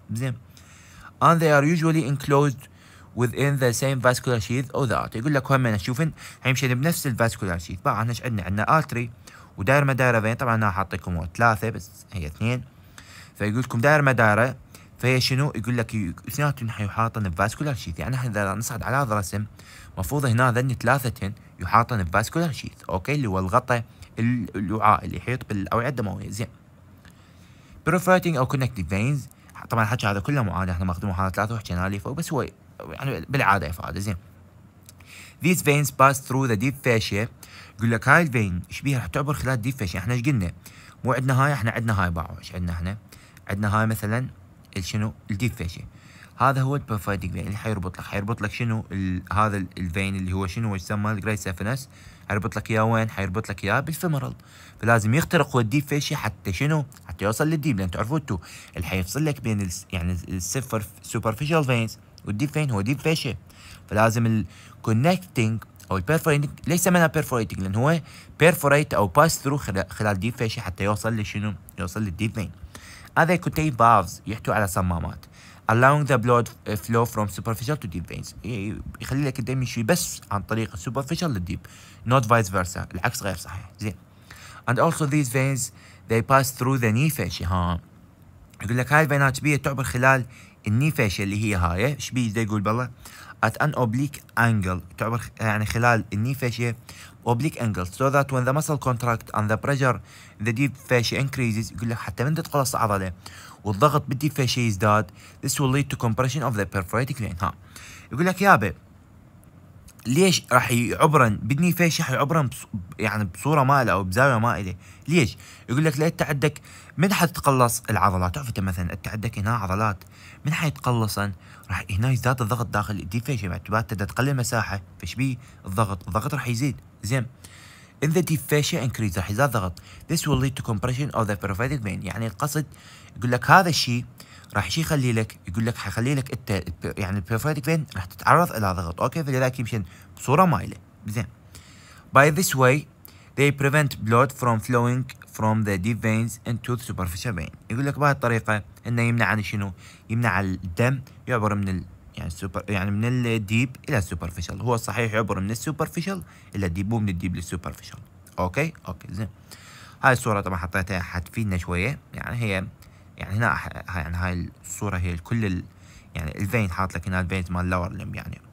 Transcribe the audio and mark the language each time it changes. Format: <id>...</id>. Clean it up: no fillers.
<ar>زين</ar> <en>and they are usually enclosed within the same vascular sheath of the artery،</en> <ar>يقول لك هم شوفن حيمشين بنفس الفاسكولار شيث، باع احنا ايش عندنا؟ عندنا artery ودائره مدائره فين، طبعا انا حاط لكم ثلاثه بس هي اثنين، فيقول لكم دائره مدائره فهي شنو؟ يقول لك اثنيناتهم حيحاطن بفاسكولار شيث، يعني احنا اذا نصعد على هذا الرسم المفروض هنا ذن ثلاثتهم يحاطن بفاسكولار شيث، اوكي؟ اللي هو الغطاء الوعاء اللي يحيط بالاوعيه الدمويه. زين. بروفايتنج او كونكتيف فينز، طبعا الحكي هذا كله معادي احنا ماخذينه محاضره ثلاثه وحكيناه لي فوق، بس هو يعني بالعاده افاده. زين.</ar> <en>These veins pass through the deep fascia.</en> <ar>يقول لك هاي الفين شبيها رح تعبر خلال الديب فاشيا. احنا ايش قلنا؟ مو عندنا هاي، احنا عندنا هاي باعوا. ايش عندنا احنا؟ عندنا هاي مثلا شنو؟ الديب فاشيا. هذا هو البرفايدنج فين اللي حيربط لك، حيربط لك شنو؟ هذا الفين اللي هو شنو يسمى الجريت سافنس، حيربط لك اياه وين؟ حيربط لك اياه بالفيمرال. فلازم يخترق هو الديب فاشيا حتى شنو؟ حتى يوصل للديب، لان تعرفوا انتوا اللي حيفصل لك بين يعني السفر سوبرفيشال فينز والديب فين هو ديب فاشيا. فلازم الكونكتنج او البرفورينج، ليس منها برفورينج لان هو بيرفوريت او باس ثرو خلال ديب فاشيا حتى يوصل لشنو؟ يوصل للديب فين. هذا كونتين فالفز يحتوي على صمامات</ar> <en>allowing the blood flow from superficial to deep veins،</en> <ar>يخلي لك الدم يمشي بس عن طريق superficial للديب،</ar> <en>not vice versa،</en> <ar>العكس غير صحيح. زين.</ar> <en>And also these veins they pass through the knee fascia.</en> <ar>ها يقول لك هاي الفينات شبيه تعبر خلال الني فاشيا اللي هي هاي شبيه زي يقول بالله</ar> <en>at an oblique angle،</en> <ar>تعبر يعني خلال الني فاشيا</ar> <en>oblique angle so that when the muscle contract and the pressure the deep fascia increases،</en> <ar>يقول لك حتى من تتقلص عضله والضغط بالديب فاشيا يزداد</ar> <en>this will lead to compression of the perforating vein.</en> <ar>ها يقول لك يابا ليش راح يعبرن بالني فاشيا حيعبرن يعني بصوره مائله او بزاويه مائله؟ ليش؟ يقول لك لا انت عندك من حتتقلص العضلات، تعرف انت مثلا انت عندك هنا عضلات من حيتقلصن راح هنا يزداد الضغط داخل الديب فاشيا، معتبات تبدا تقلل المساحه فايش بيه الضغط؟ الضغط راح يزيد. زين.</ar> <en>In the deep fascia increase،</en> <ar>راح يزداد ضغط.</ar> <en>This will lead to compression of the perforating vein.</en> <ar>يعني القصد يقول لك هذا الشيء راح شيء يخلي لك، يقول لك حيخلي لك انت يعني perforating vein راح تتعرض الى ضغط، اوكي؟ فلذلك يمشي بصوره مايله. زين.</ar> <en>By this way they prevent blood from flowing from the deep veins into the superficial vein.</en> <ar>يقول لك بهذه الطريقه انه يمنع عن شنو؟ يمنع الدم يعبر من يعني سوبر يعني من الديب الى السوبرفيشال. هو صحيح يعبر من السوبرفيشال الى الديب، ومن الديب للسوبرفيشال. اوكي اوكي زين. هاي الصوره طبعا حطيتها حتفيدنا شويه، يعني هي يعني هنا يعني هاي الصوره هي كل يعني الفين حاط لك هنا الفين مال لور لم يعني.</ar>